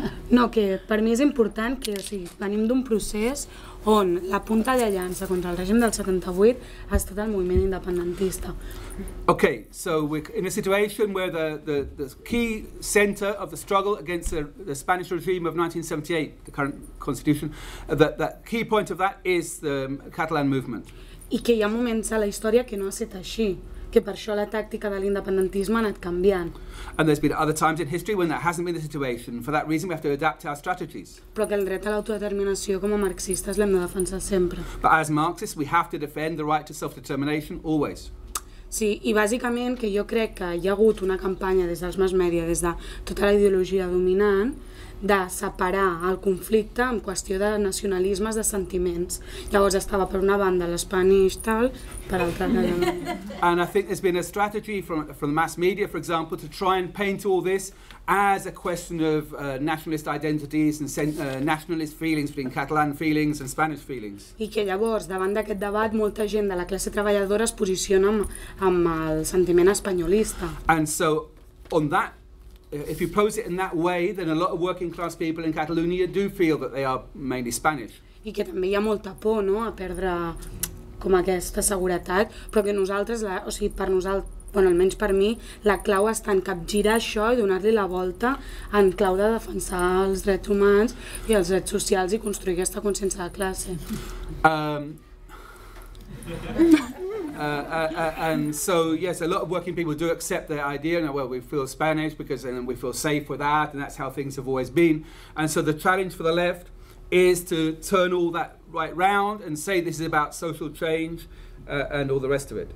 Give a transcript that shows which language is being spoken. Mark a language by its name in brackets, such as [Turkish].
[Catalan] No, que per mi és important que, o sigui, venim d'un procés on la punta de llança contra el règim del 78 ha estat el moviment independentista. [English] Okay, so we're in a situation where the key center of the struggle against the Spanish regime of 1978, the current constitution, that key point of that is the Catalan movement. [Catalan] I que hi ha moments a la història que no ha estat així. Que per això la tàctica de l'independentisme ha anat canviant. [English] And there's been other times in history when that hasn't been the situation. For that reason, we have to adapt our strategies. [Catalan] Però que el dret a l'autodeterminació com a marxistes l'hem de defensar sempre. [English] But as Marxists, we have to defend the right to self-determination always. [Catalan] Sí, I bàsicament que jo crec que hi ha hagut una campanya des dels mass media, des de tota la ideologia dominant, de separar el conflicte en qüestió de nacionalismes, de sentiments. Llavors estava per una banda l'Spanish tal, per altra banda. [English] And I think there's been a strategy from the mass media, for example, to try and paint all this as a question of nationalist identities and nationalist feelings between Catalan feelings and Spanish feelings. [Catalan] I que llavors, davant d'aquest debat, molta gent de la classe treballadora es posiciona amb el sentiment espanyolista. [English] And so, on that, if you pose it in that way, then a lot of working class people in Catalonia do feel that they are mainly Spanish. [Catalan] I que també hi ha molta por, no?, a perdre com aquesta seguretat, però que nosaltres, o sigui, per nosaltres, bueno, almenys per mi, la clau està en capgirar això I donar-li la volta en clau de defensar els drets humans I els drets socials I construir aquesta consciència de classe. [English] And so, yes, a lot of working people do accept the idea, and well, we feel Spanish because then we feel safe with that, and that's how things have always been. And so the challenge for the left is to turn all that right round and say this is about social change, and all the rest of it.